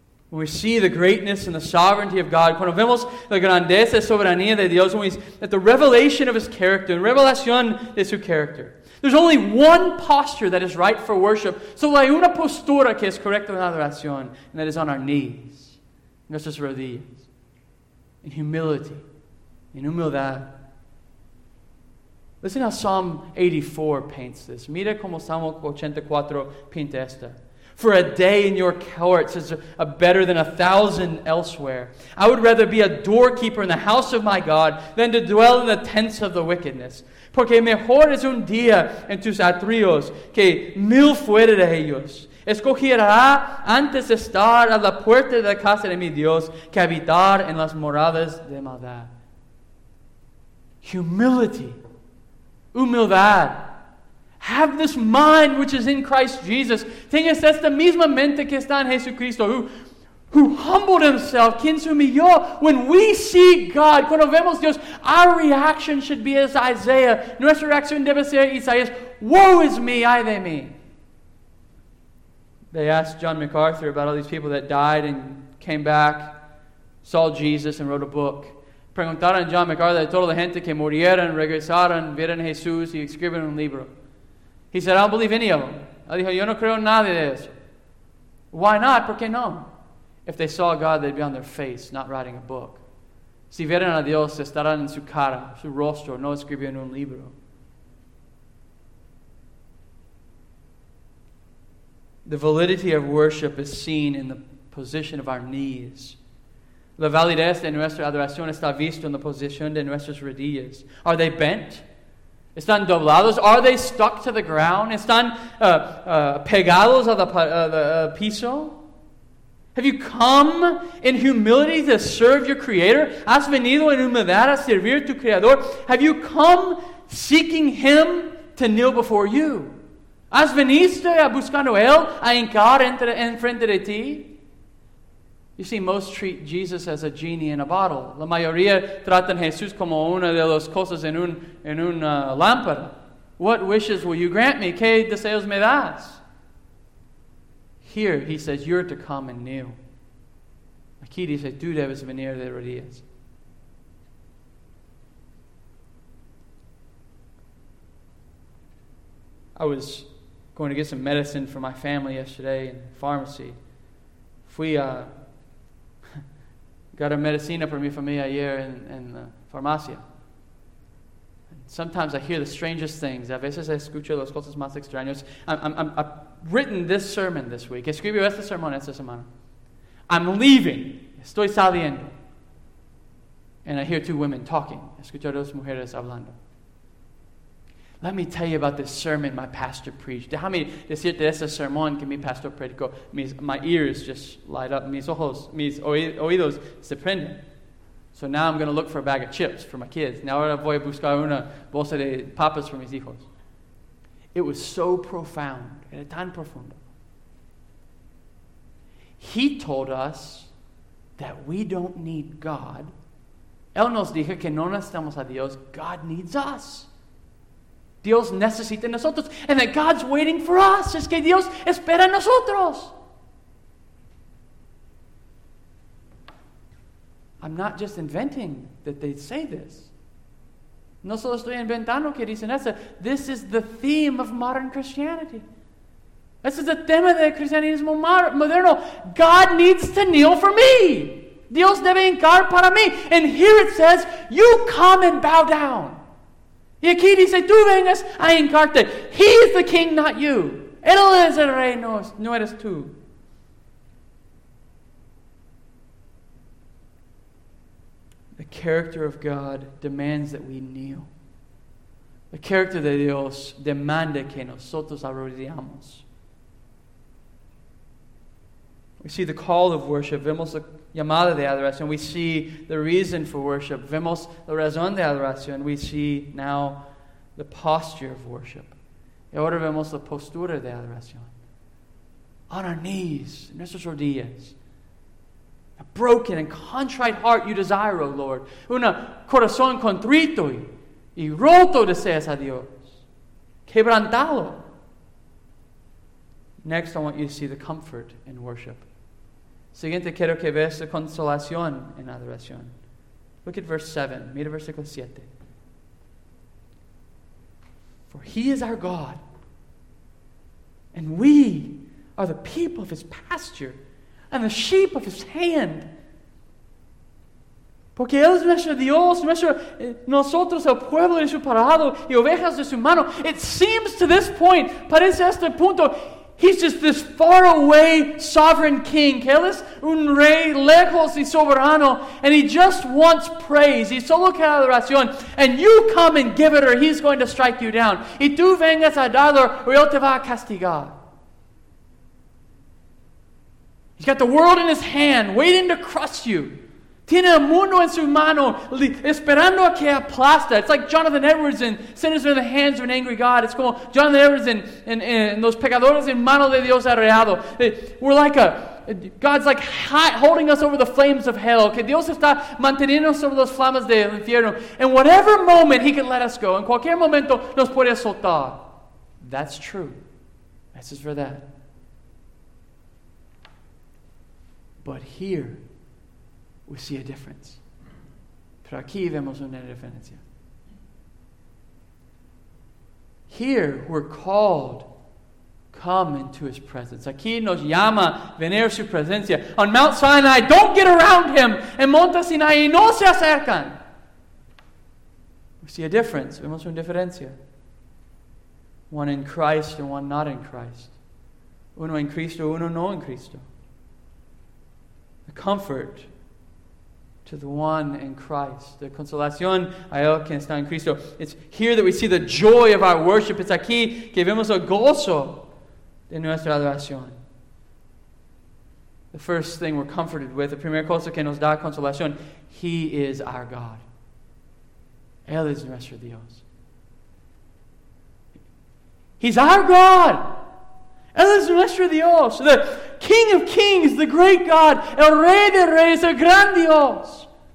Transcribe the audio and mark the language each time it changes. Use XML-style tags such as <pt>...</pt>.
<en>When we see the greatness and the sovereignty of God,</en> <es>cuando vemos la grandeza y soberanía de Dios,</es> <en>when we see that the revelation of His character, the revelación de su character, there's only one posture that is right for worship.</en> <es>Solo hay una postura que es correcta en adoración,</es> <en>and that is on our knees,</en> <es>en nuestras rodillas,</es> <en>in humility,</en> <es>in humildad.</es> <en>Listen how Psalm 84 paints this.</en> <es>Mira cómo Salmo 84 pinta esta.</es> <en>For a day in your courts is a better than 1,000 elsewhere. I would rather be a doorkeeper in the house of my God than to dwell in the tents of the wickedness.</en> <es>Porque mejor es un día en tus atrios que mil fuera de ellos. Escogerá antes estar a la puerta de la casa de mi Dios que habitar en las moradas de maldad.</es> <en>Humility. Humildad. Have this mind which is in Christ Jesus.</en> <es>Tengas esta misma mente que está en Jesucristo,</es> <en>who humbled himself,</en> <es>quien se humilló.</es> <en>When we see God,</en> <es>cuando vemos Dios,</es> <en>our reaction should be as Isaiah.</en> <es>Nuestra reacción debe ser Isaías.</es> <en>Woe is me,</en> <es>ay de mí.</es> <en>They asked John MacArthur about all these people that died and came back, saw Jesus and wrote a book.</en> <es>Preguntaron a John MacArthur de toda la gente que murieron, regresaron, vieron Jesús y escribieron un libro.</es> <en>He said, I don't believe any of them.</en> <es>Él dijo, yo no creo en nada de eso.</es> <en>Why not?</en> <es>¿Por qué no?</es> <en>If they saw God, they'd be on their face, not writing a book.</en> <es>Si vieron a Dios, estarán en su cara, su rostro, no escribieron un libro.</es> <en>The validity of worship is seen in the position of our knees.</en> <es>La validez de nuestra adoración está visto en la posición de nuestras rodillas.</es> <en>Are they bent?</en> <es>Están doblados?</es> <en>Are they stuck to the ground?</en> <es>Están pegados a</es> <en>the piso? Have you come in humility to serve your Creator?</en> <es>¿Has venido en humildad a servir tu Creador?</es> <en>Have you come seeking Him to kneel before you?</en> <es>¿Has venido a buscando Él a hincar en frente de ti?</es> <en>You see, most treat Jesus as a genie in a bottle.</en> <es>La mayoría tratan Jesús como una de las cosas en una lámpara.</es> <en>What wishes will you grant me?</en> <es>¿Qué deseos me das?</es> <en>Here, he says, you're to come and kneel.</en> <es>Aquí dice, tú debes venir de rodillas.</es> <en>I was going to get some medicine for my family yesterday in the pharmacy.</en> <es>Fui a... Got a medicina for mi familia ayer en la farmacia.</es> <en>And sometimes I hear the strangest things.</en> <es>A veces escucho las cosas más extrañas.</es> <en>I've written this sermon this week.</en> <es>Escribió este sermón esta semana.</es> <en>I'm leaving.</en> <es>Estoy saliendo.</es> <en>And I hear two women talking.</en> <es>Escucho dos mujeres hablando.</es> <en>Let me tell you about this sermon my pastor preached.</en> <es>Déjame decirte ese sermón que mi pastor predicó.</es> <en>My ears just light up.</en> <es>Mis oídos se prenden.</es> <en>So now I'm going to look for a bag of chips for my kids.</en> <es>Now ahora voy a buscar una bolsa de papas for mis hijos.</es> <en>It was so profound.</en> <es>Era tan profundo.</es> <en>He told us that we don't need God.</en> <es>Él nos dijo que no necesitamos a Dios.</es> <en>God needs us.</en> <es>Dios necesita nosotros.</es> <en>And that God's waiting for us.</en> <es>Es que Dios espera nosotros.</es> <en>I'm not just inventing that they say this.</en> <es>No solo estoy inventando que dicen eso.</es> <en>This is the theme of modern Christianity. This is the</en> <es>tema del cristianismo moderno.</es> <en>God needs to kneel for me.</en> <es>Dios debe hincar para mí.</es> <en>And here it says, you come and bow down.</en> <es>Y aquí dice, tú vengas a hincarte.</es> <en>He is the king, not you.</en> <es>Él es el rey, no eres tú.</es> <en>The character of God demands that we kneel. The character</en> <es>de Dios demanda que nosotros arrodillamos.</es> <en>We see the call of worship.</en> <es>Vemos la llamada de adoración.</es> <en>We see the reason for worship.</en> <es>Vemos la razón de adoración.</es> <en>We see now the posture of worship.</en> <es>Y ahora vemos la postura de adoración.</es> <en>On our knees,</en> <es>nuestras rodillas.</es> <en>A broken and contrite heart you desire, O Lord.</en> <es>Un corazón contrito y roto deseas a Dios. Quebrantalo.</es> <en>Next, I want you to see the comfort in worship.</en> <es>Siguiente, quiero que veas la consolación en adoración.</es> <en>Look at verse 7.</en> <es>Mira versículo 7.</es> <en>For he is our God, and we are the people of his pasture, and the sheep of his hand.</en> <es>Porque él es nuestro Dios, nuestro nosotros el pueblo de su parado, y ovejas de su mano.</es> <en>It seems to this point,</en> <es>parece este punto,</es> <en>he's just this far away sovereign king.</en> <es>Que él es un rey lejos y soberano.</es> <en>And he just wants praise. Y solo quiere adoración. And you come and give it or he's going to strike you down.</en> <es>Y tú vengas a darlo o él te va a castigar.</es> <en>He's got the world in his hand waiting to crush you.</en> <es>Tiene el mundo en su mano esperando a que aplasta.</es> <en>It's like Jonathan Edwards in Sinners in the Hands of an Angry God. It's como Jonathan Edwards in Los Pecadores en Mano de Dios Arreado. We're like God's like hot, holding us over the flames of hell.</en> <es>Okay, Dios está manteniendo sobre las flamas del infierno.</es> <en>In whatever moment, He can let us go.</en> <es>En cualquier momento, nos puede soltar.</es> <en>That's true. This is for that. But here, we see a difference.</en> <es>Pero aquí vemos una diferencia.</es> <en>Here, we're called come into His presence.</en> <es>Aquí nos llama venir su presencia.</es> <en>On Mount Sinai, don't get around Him.</en> <es>En Monte Sinai, no se acercan.</es> <en>We see a difference.</en> <es>Vemos una diferencia.</es> <en>One in Christ and one not in Christ.</en> <es>Uno en Cristo, uno no en Cristo.</es> <en>The comfort to the one in Christ.</en> <es>The consolación a él que está en Cristo.</es> <en>It's here that we see the joy of our worship.</en> <es>It's aquí que vemos el gozo de nuestra adoración.</es> <en>The first thing we're comforted with, the</en> <es>primera cosa que nos da consolación,</es> <en>He is our God.</en> <es>Él es nuestro Dios.</es> <en>He's our God.</en> <es>Él es nuestro Dios.</es> <en>The King of Kings, the great God.</en> <es>El Rey de Reyes, el gran Dios.</es>